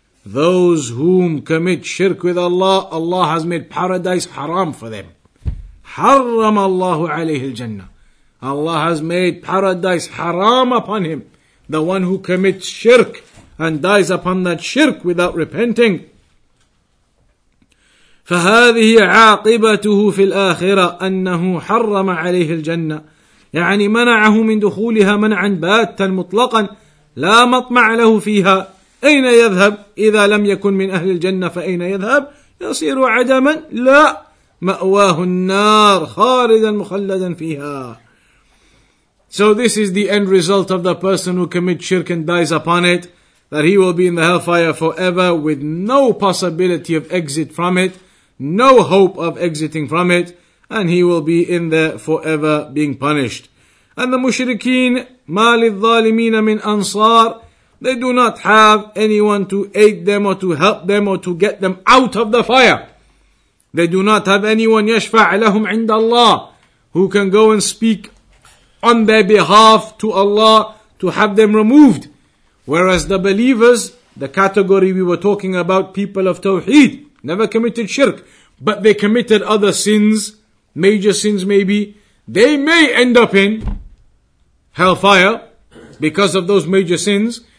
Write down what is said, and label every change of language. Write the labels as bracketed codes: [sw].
[en] Those whom commit shirk with Allah, Allah has made paradise haram for them. [ar] حرم الله عليه الجنة. [en] Allah has made paradise haram upon him, the one who commits shirk and dies upon that shirk without repenting. [ar] فهذه عاقبته في الآخرة أنه حرم عليه الجنة يعني منعه من دخولها منعا باتا مطلقا لا مطمع له فيها. أين يذهب إذا لم يكن من أهل الجنة؟ فأين يذهب؟ يصير عدما؟ لا، مأواه النار خالدا مخلدا فيها. [en] So this is the end result of the person who commits shirk and dies upon it, that he will be in the hellfire forever with no possibility of exit from it, no hope of exiting from it, and he will be in there forever being punished. And the mushrikeen, [ar] مَا لِلظَّالِمِينَ مِنْ أَنصَارِ. [en] They do not have anyone to aid them or to help them or to get them out of the fire. They do not have anyone, [ar] يَشْفَعْ لَهُمْ عِنْدَ اللَّهِ, [en] who can go and speak on their behalf to Allah to have them removed. Whereas the believers, the category we were talking about, people of Tawheed, never committed shirk, but they committed other sins, major sins maybe, they may end up in hellfire because of those major sins.